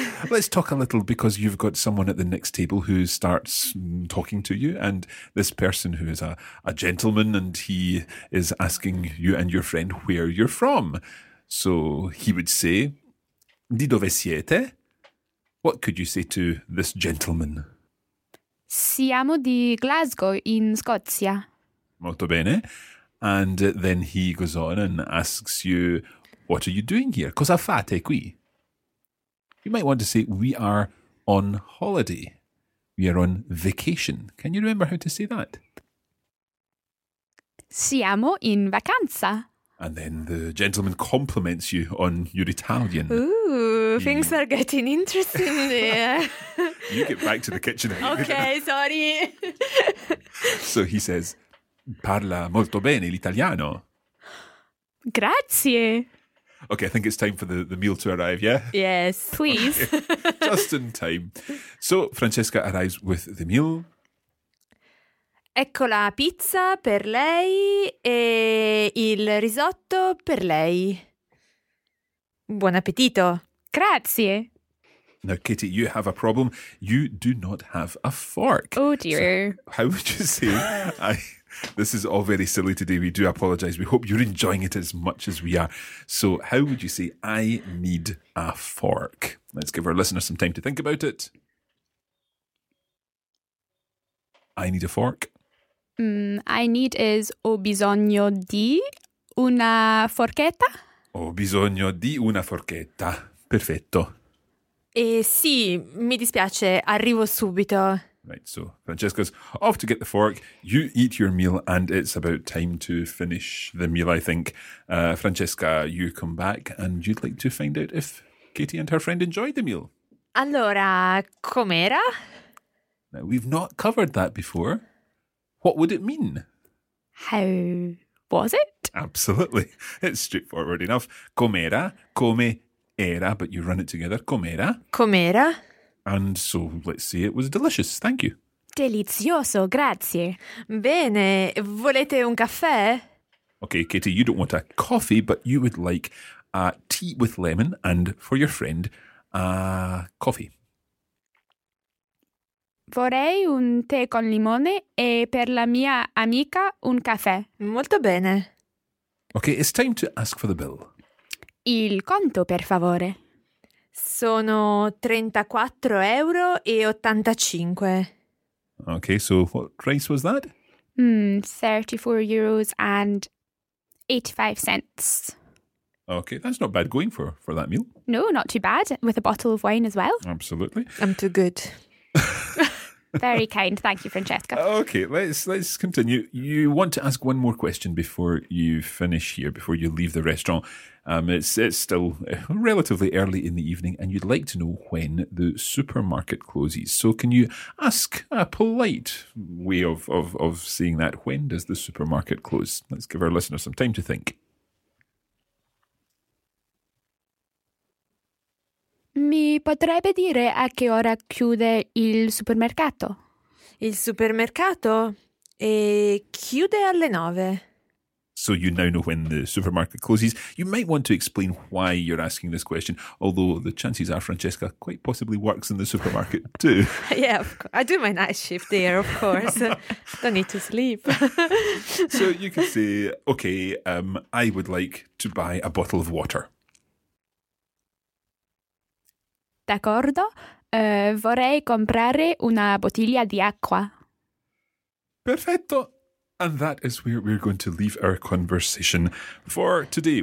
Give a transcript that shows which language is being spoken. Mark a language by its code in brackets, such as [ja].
[en] Let's talk a little because you've got someone at the next table who starts talking to you. And this person who is a gentleman and he is asking you and your friend where you're from. So he would say, [it] di dove siete? [en] What could you say to this gentleman? [it] Siamo di Glasgow in Scozia. Molto bene. [en] And then he goes on and asks you, what are you doing here? [it] Cosa fate qui? [en] You might want to say, we are on holiday. We are on vacation. Can you remember how to say that? [it] Siamo in vacanza. [en] And then the gentleman compliments you on your Italian. Ooh, things are getting interesting there. You get back to the kitchen. Okay, sorry. So he says, [it] parla molto bene l'italiano. Grazie. [en] Okay, I think it's time for the meal to arrive, yeah? Yes, please. Okay. Just in time. So, Francesca arrives with the meal. [it] Ecco la pizza per lei e il risotto per lei. Buon appetito. Grazie. [en] Now, Kitty, you have a problem. You do not have a fork. Oh, dear. So how would you say I... This is all very silly today. We do apologise. We hope you're enjoying it as much as we are. So how would you say, I need a fork? Let's give our listeners some time to think about it. I need a fork. I need is, [it] ho bisogno di una forchetta. Ho bisogno di una forchetta. Perfetto. Sì, mi dispiace. Arrivo subito. [en] Right, so Francesca's off to get the fork. You eat your meal and it's about time to finish the meal, I think. Francesca, you come back and you'd like to find out if Katie and her friend enjoyed the meal. [it] Allora, com'era? [en] Now, we've not covered that before. What would it mean? How was it? Absolutely. It's straightforward enough. [it] Com'era, come era, [en] but you run it together. Com'era. [it] Com'era. [en] And so, let's say it was delicious. Thank you. [it] Delizioso, grazie. Bene, volete un caffè? [en] Okay, Katie, you don't want a coffee, but you would like a tea with lemon and, for your friend, a coffee. [it] Vorrei un tè con limone e per la mia amica un caffè. Molto bene. [en] Okay, it's time to ask for the bill. [it] Il conto, per favore. Sono 34 euro e 85. [en] Okay, so what price was that? 34 euros and 85 cents. Okay, that's not bad going for that meal. No, not too bad, with a bottle of wine as well. Absolutely. I'm too good. Very kind. Thank you, Francesca. Okay, let's continue. You want to ask one more question before you finish here, before you leave the restaurant. It's still relatively early in the evening and you'd like to know when the supermarket closes. So can you ask a polite way of saying that? When does the supermarket close? Let's give our listeners some time to think. [it] Mi potrebbe dire a che ora chiude il supermercato? Il supermercato chiude alle 9. [en] So you now know when the supermarket closes. You might want to explain why you're asking this question, although the chances are Francesca quite possibly works in the supermarket too. Yeah, of course. I do my night shift there, of course. Don't need to sleep. So you could say, okay, I would like to buy a bottle of water. [it] D'accordo, vorrei comprare una bottiglia di acqua. Perfetto! [en] And that is where we're going to leave our conversation for today.